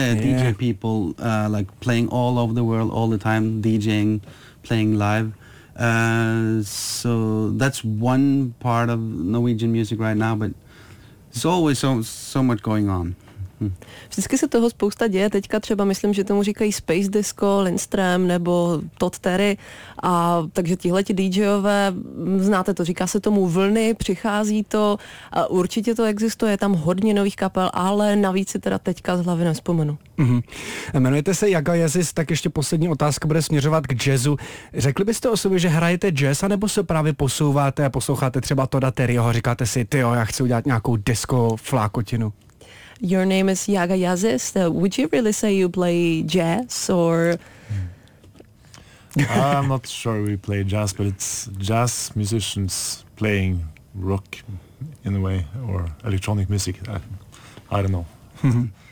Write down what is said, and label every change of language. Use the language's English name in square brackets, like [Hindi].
[English] DJ people like playing all over the world all the time, DJing, playing live. So that's one part of Norwegian music right now, but it's always so much going on. [Czech] Vždycky se toho spousta děje, teďka třeba myslím, že tomu říkají Space Disco, Lindstrom nebo Todd Terry, a takže tihleti DJové, znáte to, říká se tomu vlny, přichází to, a určitě to existuje, je tam hodně nových kapel, ale navíc si teda teďka z hlavy nevzpomenu. Mm-hmm. Jmenujete se Jaga Jezis, tak ještě poslední otázka bude směřovat k jazzu. Řekli byste o sobě, že hrajete jazz, anebo se právě posouváte a posloucháte třeba Todda Terryho, říkáte si, tyjo, já chci udělat nějakou disco flákotinu. [English] Your name is Jaga Jezis. Would you really say you play jazz or? I'm not sure we play jazz, but it's jazz musicians playing rock in a way or electronic music. I don't know.